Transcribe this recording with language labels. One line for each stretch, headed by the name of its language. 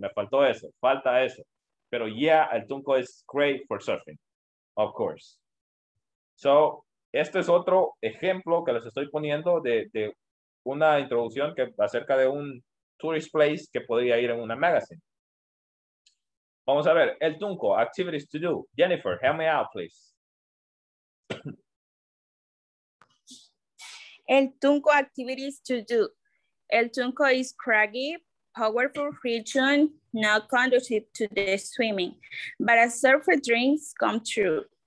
Spanish: Me faltó eso, falta eso. Pero
English: yeah, El Tunco is great for surfing, of course.
Spanish: So, esto es otro ejemplo que les estoy poniendo de una introducción que acerca de un
English: tourist place
Spanish: que podría ir en una magazine. Vamos a ver,
English: El Tunco, activities to do. Jennifer, help me out, please. El Tunco, activities to do. El Tunco is craggy, powerful region, not conducive to the swimming, but a surfer dreams come true.